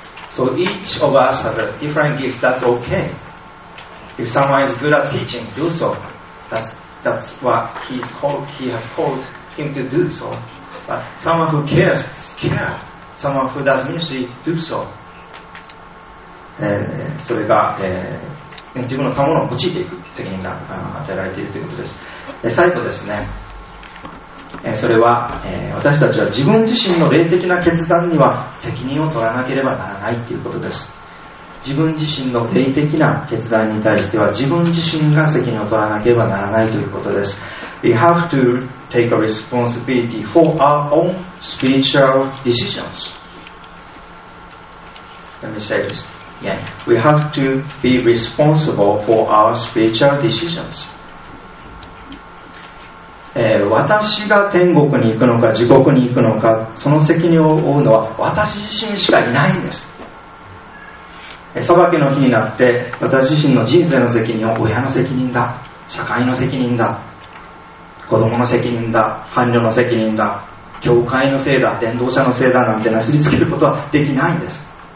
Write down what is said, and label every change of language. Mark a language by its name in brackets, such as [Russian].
[English] So each of us has a different gift, that's okay. If someone is good at teaching, do so. That's what he has called. Him to do so, but someone who cares, care. Someone who does ministry, do so. [Japanese] それが、自分の賜物を用いていく責任が与えられているということです。最後ですね。それは、私たちは自分自身の霊的な決断には責任を取らなければならないということです。自分自身の霊的な決断に対しては自分自身が責任を取らなければならないということです。 [English] We have to take a responsibility for our own spiritual decisions. Let me say this. Yeah. We have to be responsible for our spiritual decisions. [Japanese] 私が天国に行くのか地獄に行くのか、その責任を負うのは私自身しかいないんです。裁きの日になって私自身の人生の責任を親の責任だ、社会の責任だ、子供の責任だ、伴侶の責任だ、教会のせいだ、伝道者のせいだなんてなすりつけることはできないんです。